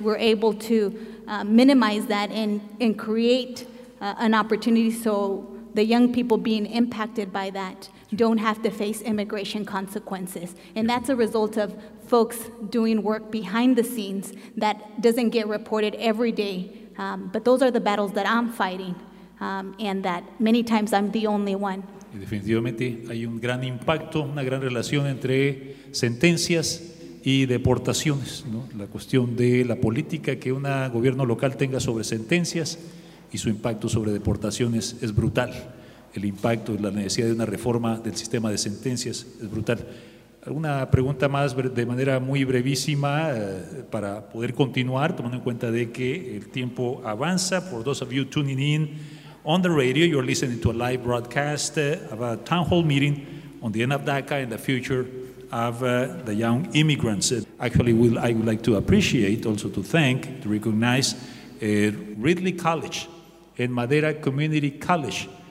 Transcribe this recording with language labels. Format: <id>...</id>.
<en>We're able to minimize that and create an opportunity so the young people being impacted by that don't have to face immigration consequences. And that's a result of folks doing work behind the scenes that doesn't get reported every day. But those are the battles that I'm fighting, and that many times I'm the only one.</en> <es>Y definitivamente hay un gran impacto, una gran relación entre sentencias y deportaciones, ¿no? La cuestión de la política que un gobierno local tenga sobre sentencias y su impacto sobre deportaciones es brutal. el impacto y la necesidad de una reforma del sistema de sentencias es brutal. ¿Alguna pregunta más de manera muy brevísima para poder continuar, tomando en cuenta de que el tiempo avanza?</es> <en>For those of you tuning in on the radio, you're listening to a live broadcast of a town hall meeting on the end of DACA and the future of the young immigrants. Actually, I would like to appreciate, also to thank, to recognize Ridley College and Madera Community College.</en>